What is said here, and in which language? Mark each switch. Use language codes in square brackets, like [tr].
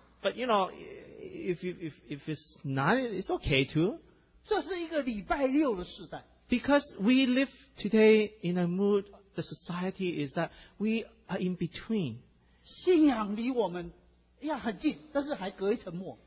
[en] But you know, if it's not, it's okay too. [zh] 这是一个礼拜六的时代。 [en] Because we live today in a mood, the society is that we are in between. [zh] 信仰离我们, 要很近, 但是还隔一层墨。